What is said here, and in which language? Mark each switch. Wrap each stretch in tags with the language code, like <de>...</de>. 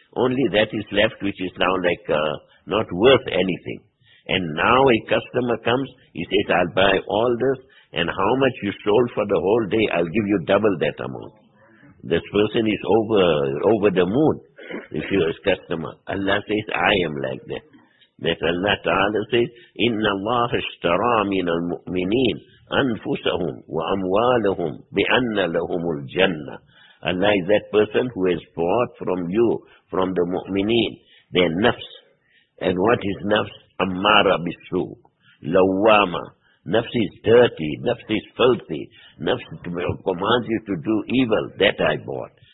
<en>only that is left which is now like not worth anything. And now a customer comes, he says, I'll buy all this, and how much you sold for the whole day, I'll give you double that amount. This person is over the moon, if you're his customer. Allah says, I am like that. That Allah Ta'ala says,</en> <ar>إِنَّ اللَّهَ اشْتَرَى مِنَ الْمُؤْمِنِينَ أَنفُسَهُمْ وَأَمْوَالَهُمْ بِأَنَّ لَهُمُ الْجَنَّةِ.</ar> <en>Allah is that person who has bought from you, from the mu'mineen, their nafs. And what is nafs? Ammara bisu, lawama. Nafs is dirty, nafs is filthy, nafs commands you to do evil, that I bought.</en>